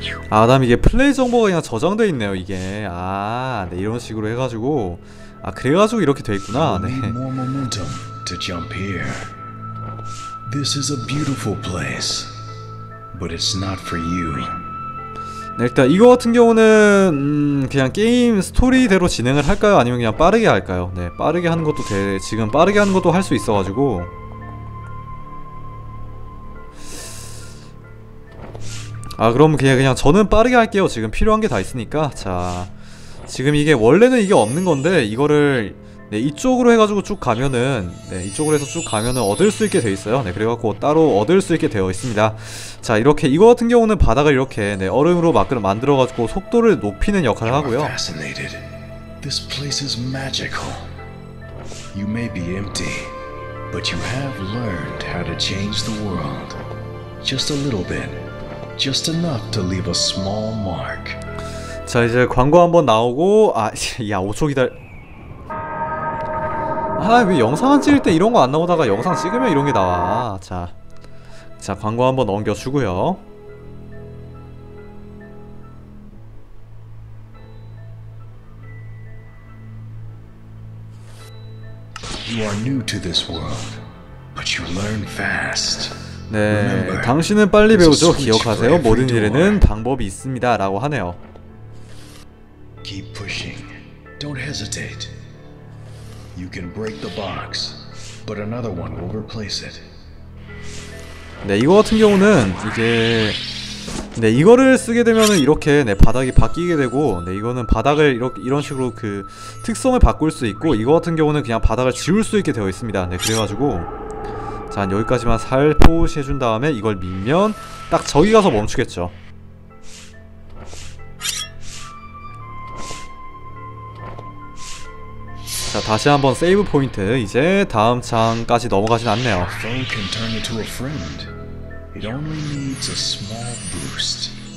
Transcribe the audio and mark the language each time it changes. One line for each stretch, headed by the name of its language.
Korean: 아, 그 다음 이게 플레이 정보가 그냥 저장돼 있네요, 이게. 아, 네, 이런 식으로 해가지고. 아, 그래가지고 이렇게 돼 있구나, 네.
English: More momentum to jump here. This is a beautiful place, but it's not for you.
Korean: 네, 일단 이거 같은 경우는, 그냥 게임 스토리대로 진행을 할까요? 아니면 그냥 빠르게 할까요? 네, 빠르게 하는 것도 돼. 지금 빠르게 하는 것도 할 수 있어가지고. 아 그럼 그냥 저는 빠르게 할게요. 지금 필요한 게 다 있으니까. 자 지금 이게 원래는 이게 없는 건데 이거를 네 이쪽으로 해가지고 쭉 가면은 네 이쪽으로 해서 쭉 가면은 얻을 수 있게 되어 있어요. 네 그래갖고 따로 얻을 수 있게 되어 있습니다. 자 이렇게 이거 같은 경우는 바닥을 이렇게 네 얼음으로 만들어가지고 속도를 높이는 역할을 하고요.
English: This place is magical. You may be empty, but you have learned how to change the world. Just a little bit. Just enough to leave a small mark.
Korean: 자 이제 광고 한번 나오고 아 야 5초 기다려 아 왜 영상 안 찍을 때 이런 거 안 나오다가 영상 찍으면 이런 게 나와. 자 광고 한번 넘겨주고요.
English: You are new to this world, but you learn fast.
Korean: 네, 당신은 빨리 배우죠. 기억하세요. 모든 일에는 방법이 있습니다. 라고 하네요.
English: Keep pushing. Don't hesitate. You can break the box, but another one will replace it.
Korean: 네, 이거 같은 경우는 이게 네, 이거를 쓰게 되면은 이렇게 네, 바닥이 바뀌게 되고 네, 이거는 바닥을 이렇게 이런 식으로 그 특성을 바꿀 수 있고 이거 같은 경우는 그냥 바닥을 지울 수 있게 되어 있습니다. 네, 그래가지고 자, 여기까지만 살포시 해준 다음에 이걸 밀면 딱 저기 가서 멈추겠죠. 자, 다시 한번 세이브 포인트. 이제 다음 창까지 넘어가진 않네요.
English: Phone can turn into a friend. It only needs a small boost.